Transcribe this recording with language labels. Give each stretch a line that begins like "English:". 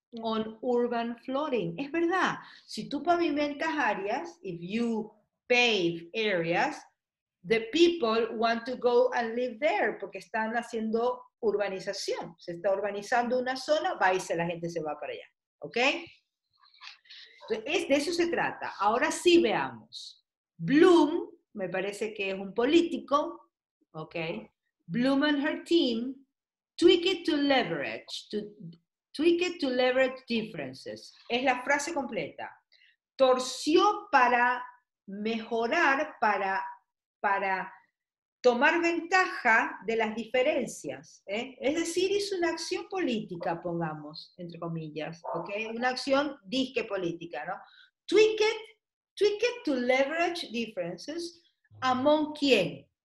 English: On urban flooding. Es verdad. Si tú pavimentas áreas, if you pave areas, the people want to go and live there porque están haciendo urbanización.
Spanish: Se está urbanizando una zona, va y la gente se va para allá. ¿Ok? De eso se trata. Ahora sí veamos. Bloom, me parece que es un político, ¿ok?
English: Bloom and her team tweak it to leverage differences.
Spanish: Es la frase completa. Torció para mejorar, para tomar ventaja de las diferencias, ¿eh? Es decir, hizo una acción política, pongamos, entre comillas, ¿ok? Una acción disque política, ¿no? Tweak it to leverage differences among quién?